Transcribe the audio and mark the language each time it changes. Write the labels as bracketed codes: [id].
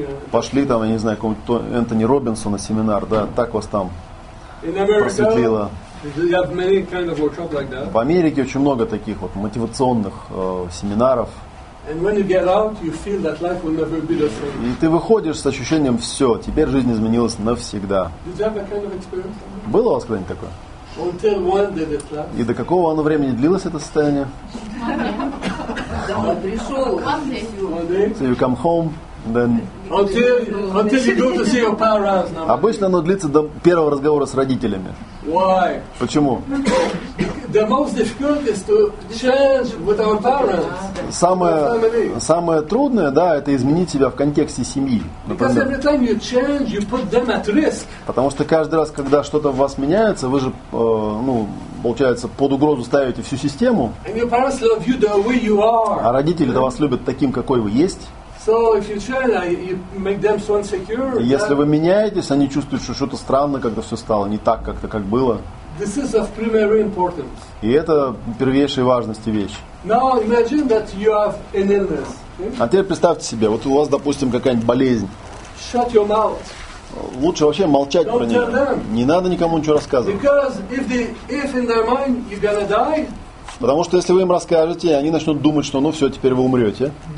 [ru] Пошли там, я не знаю, какому-то Энтони Робинсона семинар, да, так вас там просветлило. В Америке очень много таких вот мотивационных семинаров. [en] And when you get out, you feel that life will never be the same. [ru] И ты выходишь с ощущением: все, теперь жизнь изменилась навсегда. [en] Did you have a kind of experience? [ru] Было у вас когда-нибудь такое? [en] Until when did it last? [ru] И до какого оно времени длилось это состояние? [en] So you come home, then. Until you go to see your parents. [ru] Обычно оно длится до первого разговора с родителями. [en] Why? [ru] Почему? [en] The most difficult is to change with our parents. [ru] Самое трудное, да, это изменить себя в контексте семьи. [en] Because every time you change, you put them at risk. [ru] Потому что каждый раз, когда что-то в вас меняется, вы же, получается, под угрозу ставите всю систему. [en] And your parents love you the way you are. [ru] А родители вас любят таким, какой вы есть. [en] So if you change, you make them so insecure. [ru] Если вы меняетесь, они чувствуют, что что-то странное, когда все стало не так, как-то как было. [en] This is of primary importance. [ru] И это первейшей важности вещь. [en] Now imagine that you have an illness. [ru] А теперь представьте себе, вот у вас, допустим, какая-нибудь болезнь. [en] Shut your mouth. [ru] Лучше вообще молчать про нее. Не надо никому ничего рассказывать. [en] Because if in their mind you're gonna die. [ru] Потому что если вы им расскажете, они начнут думать, что ну все, теперь вы умрете.